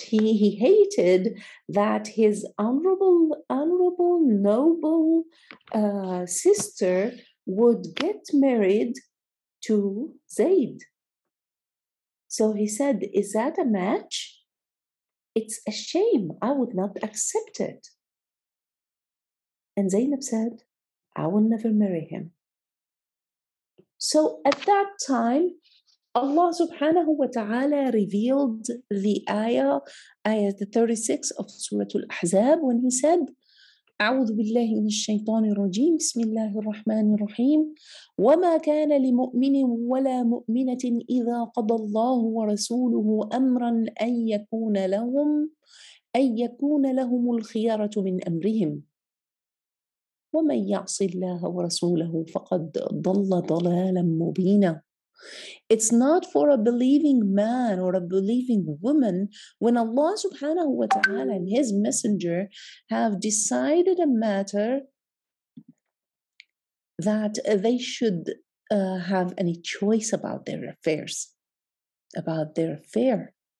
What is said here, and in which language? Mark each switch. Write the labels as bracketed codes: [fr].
[en] He hated that his honorable noble sister would get married to Zayd. So he said, "Is that a match? It's a shame. I would not accept it." And Zaynab said, "I will never marry him." So at that time, Allah subhanahu wa ta'ala revealed the ayah 36 of Surah Al-Ahzab, when he said, [ar] أعوذ بالله من الشيطان الرجيم بسم الله الرحمن الرحيم وما كان لمؤمن ولا مؤمنة إذا قضى الله ورسوله أمرا أن يكون لهم الخيارة من أمرهم وَمَنْ يَعْصِ اللَّهَ وَرَسُولَهُ فَقَدْ ضَلَّ ضَلَالًا مُبِينًا. [en] It's not for a believing man or a believing woman when Allah subhanahu wa ta'ala and his messenger have decided a matter that they should have any choice about their affairs, about their affair.